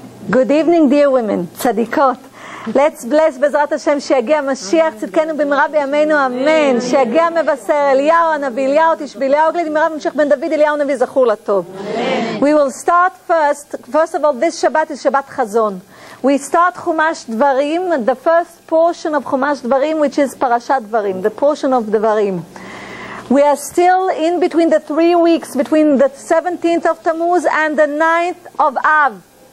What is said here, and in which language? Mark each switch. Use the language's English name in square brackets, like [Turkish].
[English] Good evening, dear women, צדיקות. Let's bless [Hebrew] בעזרת השם שיגיע משיח, צדקנו במהרה בימינו, אמן. שיגיע מבשר אליהו הנביא, אליהו תשבי, אליהו גלידי, מירב ממשיך בן דוד, אליהו נביא זכור לטוב. [English] We will start first of all, this Shabbat is Shabbat Chazon. We start Chumash Dvarim, the first portion of Chumash Dvarim, which is Parashat Dvarim, the portion of Dvarim. We are still in between the 3 weeks, between the 17th of Tammuz and the 9th of Av.